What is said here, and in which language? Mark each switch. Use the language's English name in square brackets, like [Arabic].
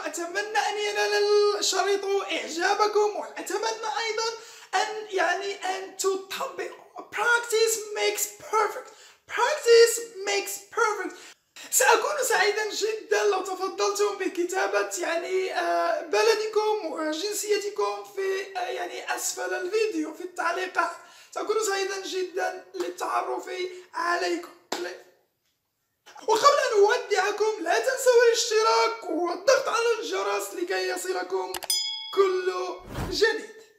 [Arabic] أتمنى أن ينال الشريط إعجابكم. وأتمنى أيضا أن يعني أن تطبق. [English] Practice makes perfect. Practice makes perfect. [Arabic] سأكون سعيدا جدا لو تفضلتم بكتابة يعني بلدكم وجنسيتكم في يعني أسفل الفيديو في التعليقات. سأكون سعيدا جدا للتعرف عليكم. وقبل أن أودعكم لا تنسوا الاشتراك والضغط على الجرس لكي يصلكم كل جديد.